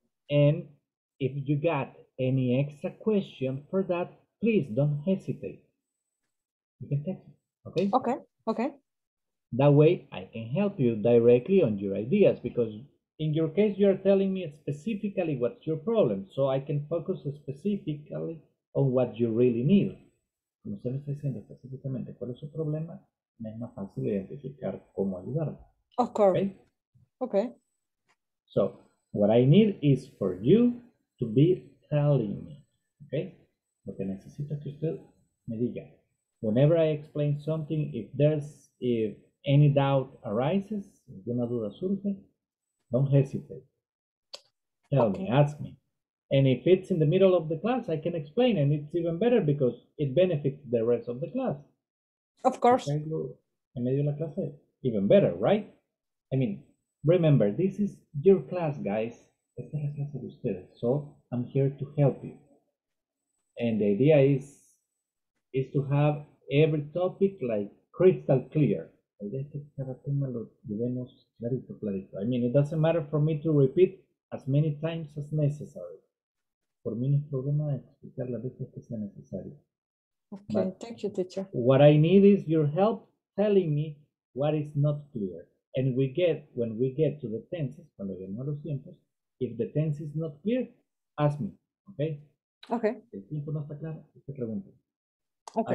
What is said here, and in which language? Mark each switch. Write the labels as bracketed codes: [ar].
[en] And if you got any extra question for that, please don't hesitate. You can text me, okay? Okay, okay. That way I can help you directly on your ideas, because in your case, you're telling me specifically what's your problem, so I can focus specifically on what you really need. [es] Como usted me está diciendo específicamente cuál es su problema, me es más fácil identificar cómo ayudarlo. [en] Of course. Okay? Okay. So what I need is for you to be telling me, okay? [es] Lo que necesito que usted me diga. [en] Whenever I explain something, if any doubt arises, [es] alguna duda surge, [en] don't hesitate. Tell me, ask me. And if it's in the middle of the class, I can explain, and it's even better because it benefits the rest of the class. Of course. [es] En medio de la clase, [en] even better, right? I mean, remember, this is your class, guys. [es] Esta es la clase de ustedes. [en] So I'm here to help you. And the idea is to have every topic like crystal clear. I mean, it doesn't matter for me to repeat as many times as necessary. For me, [es] no es problema explicar las veces que sea necesario. [en] Okay, but thank you, teacher. What I need is your help telling me what is not clear. And when we get to the tenses, [es] cuando lleguemos a los tiempos, [en] if the tense is not clear, ask me, okay? Okay. [es] El tiempo no está claro, te pregunto. [en] Okay.